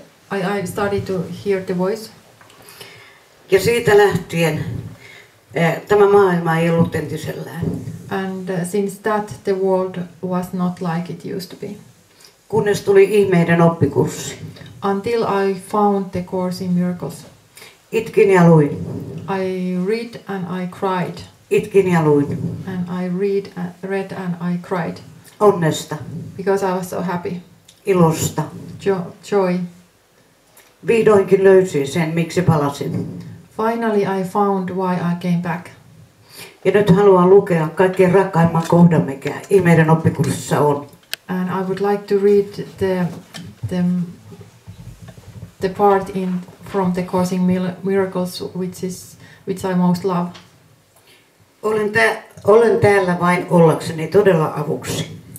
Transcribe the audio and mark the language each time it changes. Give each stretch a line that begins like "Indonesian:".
English: I started to hear the voice.
Finnish: Ja siitä lähtien tämä maailma ei ollut entisellään.
English: And since that the world was not like it used to be.
Finnish: Kunnes tuli ihmeiden oppikurssi.
English: Until I found the Course in Miracles.
Finnish: Itkin ja luin.
English: I read and I cried.
Finnish: Itkin ja luin.
English: And I read and I cried.
Finnish: Onnesta.
English: Because I was so happy.
Finnish: Ilosta.
English: Joy.
Finnish: Vihdoinkin löysin sen, miksi palasin.
English: Finally I found why I came back.
Finnish: Ja nyt haluan lukea kaikkein rakkaimman kohdan, mikä ihmeiden oppikurssissa on.
English: And I would like to read the part in from the Course in Miracles which I most love.
Finnish: Olen täällä vain ollakseni todella avuksi.